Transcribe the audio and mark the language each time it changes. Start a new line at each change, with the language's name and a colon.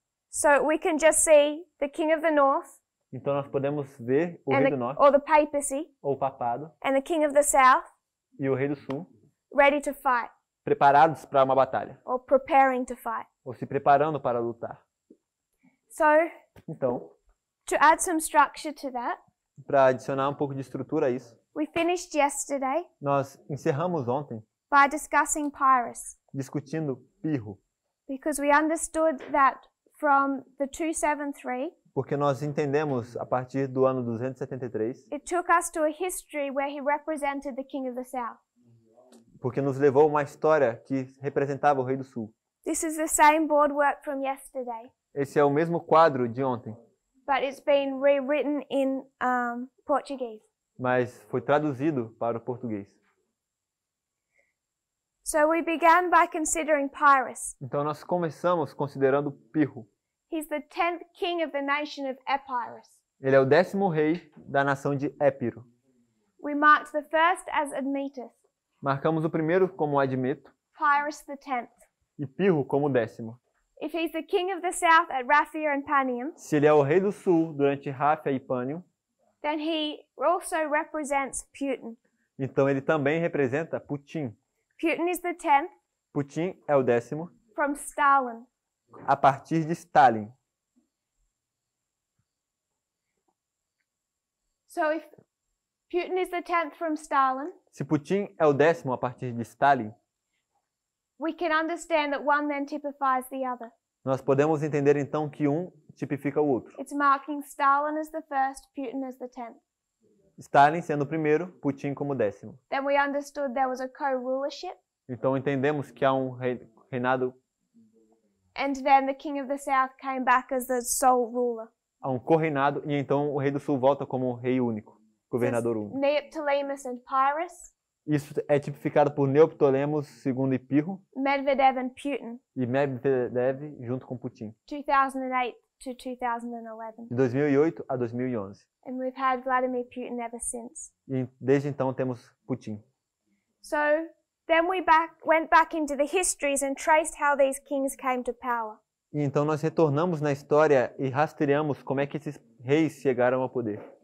English: So we can just see the King of the North.
Portuguese: Então nós podemos ver o Rei do Norte.
English: Or the Papacy.
Portuguese: Ou o Papado.
English: And the King of the South.
Portuguese: E o Rei do Sul.
English: Ready to fight.
Portuguese: Preparados para uma batalha.
English: Or preparing to fight.
Portuguese: Ou se preparando para lutar.
English: So.
Portuguese: Então.
English: To add some structure to that.
Portuguese: Para adicionar um pouco de estrutura a isso.
English: We finished yesterday.
Portuguese: Nós encerramos ontem.
English: By discussing Pyrrhus.
Portuguese: Discutindo Pirro.
English: Because we understood that from the 273.
Portuguese: Porque nós entendemos a partir do ano 273.
English: It took us to a history where he represented the King of the South.
Portuguese: Porque nos levou a uma história que representava o Rei do Sul.
English: This is the same board work from yesterday.
Portuguese: Esse é o mesmo quadro de ontem.
English: But it's been rewritten in Portuguese.
Portuguese: Mas foi traduzido para o português.
English: So we began by considering Pyrrhus.
Portuguese: Então nós começamos considerando Pirro.
English: He's the 10th king of the nation of Epirus.
Portuguese: Ele é o 10º rei da nação de Épiro.
English: We marked the first as Admetus.
Portuguese: Marcamos o primeiro como Admeto.
English: Pyrrhus the 10th.
Portuguese: E Pirro como 10º.
English: If he's the king of the south at Raphia and Panium.
Portuguese: Se ele é o rei do sul durante Raphia e Panium.
English: Then he also represents Putin.
Portuguese: Então ele também representa Putin.
English: Putin is the 10th.
Portuguese: Putin é o 10º.
English: From Stalin.
Portuguese: A partir de Stalin.
English: So if Putin is the 10th from Stalin.
Portuguese: Se Putin é o 10º a partir de Stalin.
English: We can understand that one then typifies the other.
Portuguese: Nós podemos entender então que um tipifica o outro.
English: It's marking Stalin as the first, Putin as the 10th.
Portuguese: Stalin sendo o primeiro, Putin como o 10º.
English: Then we understood there was a co-rulership.
Portuguese: Então entendemos que há um reinado.
English: And then the king of the south came back as the sole ruler.
Portuguese: Há um co-reinado e então o rei do sul volta como rei único, governador único.
English: Neoptolemus and Pyrrhus.
Portuguese: Isso é tipificado por Neoptolemos II e Pirro.
English: Medvedev and Putin.
Portuguese: E Medvedev junto com Putin.
English: 2008 to 2011.
Portuguese: De 2008 a 2011.
English: And we've had Vladimir Putin ever since.
Portuguese: E desde então temos Putin.
English: So, then we went back into the histories and traced how these kings came to power.
Portuguese: Então nós retornamos na história e rastreamos como é que esses reis chegaram ao poder.